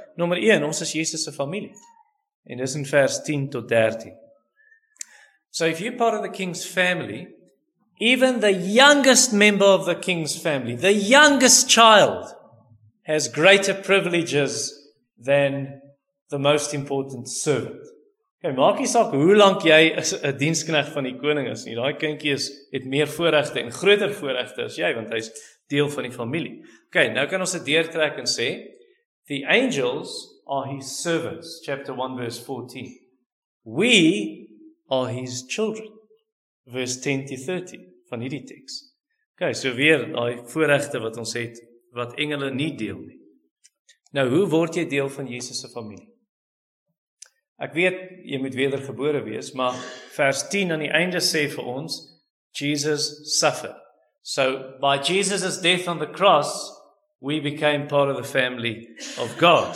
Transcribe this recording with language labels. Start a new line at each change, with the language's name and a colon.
Afrikaans: Nommer 1, ons is Jesus' familie. En dis in vers 10 tot 13.
English: So if you're part of the king's family, even the youngest member of the king's family, the youngest child, has greater privileges than the most important servant.
Afrikaans: Okay, maak nie saak hoe lank jy 'n dienskneg van die koning is nie. Daai kindjie is het meer voorregte en groter voorregte as jy, want hy's deel van die familie. Okay, nou kan ons dit deurtrek en sê,
English: the angels are his servants, chapter 1 verse 14. We are his children. Verse 10 to 30
Afrikaans: van hierdie teks. Okay, so weer daai voorregte wat ons het, wat engele nie deel nie. Nou, hoe word jy deel van Jesus se familie? Ek weet, jy moet wedergebore wees, maar vers 10 aan die einde sê vir ons,
English: Jesus suffered. So, by Jesus' death on the cross, we became part of the family of God.